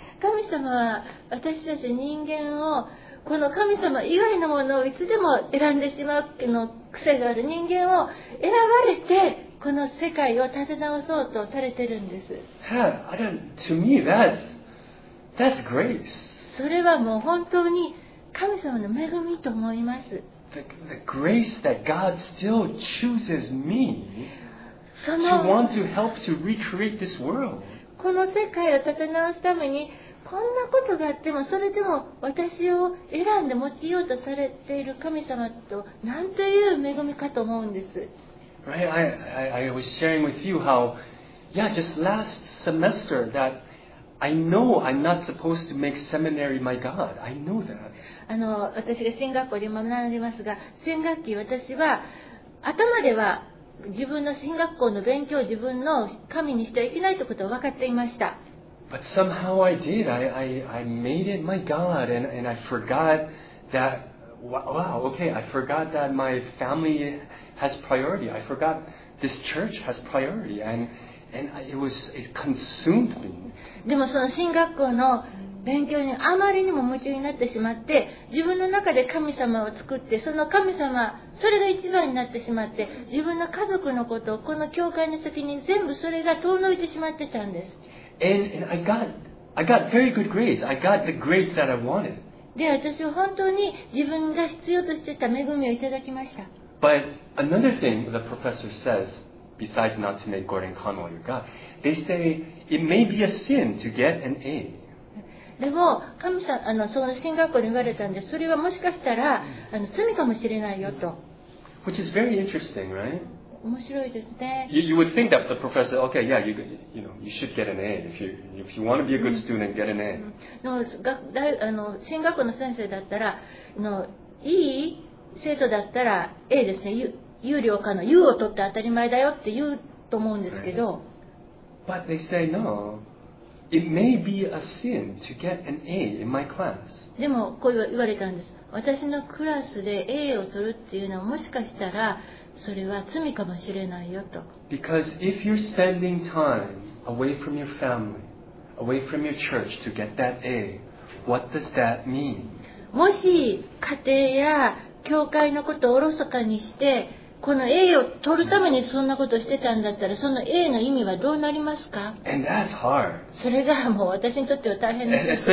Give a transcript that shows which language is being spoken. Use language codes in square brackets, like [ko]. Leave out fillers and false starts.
[ja] 神様は私たち人間をこの神様以外のものをいつでも選んでしまうの癖がある人間を選ばれて、この世界を立て直そうとされてるんです。 [en] Yeah, I don't, to me, that's grace. [ja] それはもう本当に神様の恵みと思います。 [en] The grace that God still chooses me to want to help to recreate this world. [ja] この世界を立て直すためにこんなことがあっても、それでも私を選んで用いようとされている神様と、なんという恵みかと思うんです。 [en] Right, I was sharing with you how, yeah, just last semester that I know I'm not supposed to make seminary my God. I know that. [ja] 私が神学校で学んでますが、新学期私は頭では自分の神学校の勉強を自分の神にしてはいけないということを分かっていました。 [en] But somehow I did. I made it my God, and I forgot that. Wow. Okay. I forgot that my family. Has priority. I forgot this church has priority, and it consumed me. [ja] でもその新学校の勉強にあまりにも夢中になってしまって、自分の中で神様を作って、その神様それが一番になってしまって、自分の家族のことをこの教会の責任全部それが遠のいてしまってたんです。 [en] And I got very good grades. I got the grades that I wanted. [ja] で私は本当に自分が必要としてた恵みをいただきました。 [en] But another thing the professor says, besides not to make Gordon Conwell your God, they say it may be a sin to get an A. [ja] でも神様その神学校で言われたんで、それはもしかしたら罪かもしれないよと。 [en] Which is very interesting, right? [ja] 面白いですね。 [en] You would think that the professor, okay, yeah, you should get an A if you want to be a good student, get an A. [ja] でも神学校の先生だったら、いい生徒だったら A ですね、有料化の U を取って当たり前だよって言うと思うんですけど、 [en] right. But they say no. It may be a sin to get an A in my class. [ja] でもこう言われたんです。私のクラスで A を取るっていうのはもしかしたらそれは罪かもしれないよと。 [en] Because if you're spending time away from your family, away from your church to get that A, what does that mean? [ja] もし家庭や教会のことをおろそかにしてこの A を取るためにそんなことをしてたんだったらその A の意味はどうなりますか？ [en] And that's hard. [ja] それがもう私にとっては大変なんですね。